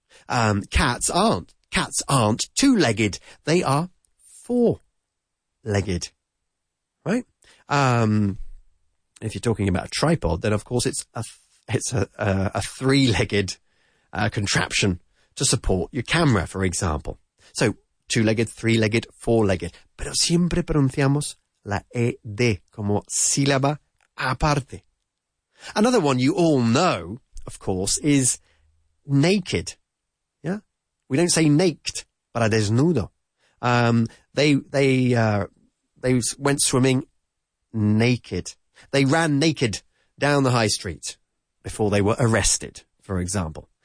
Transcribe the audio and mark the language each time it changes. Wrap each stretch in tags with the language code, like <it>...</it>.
<en>Cats aren't. Cats aren't two-legged. They are four-legged, right? If you're talking about a tripod, then of course it's a three-legged contraption to support your camera, for example. So two-legged, three-legged, four-legged.</en> <es>Pero siempre pronunciamos la ED como sílaba aparte.</es> <en>Another one you all know, of course, is naked. Yeah? We don't say naked,</en> <es>para desnudo.</es> <en>They went swimming naked. They ran naked down the high street before they were arrested, for example.</en>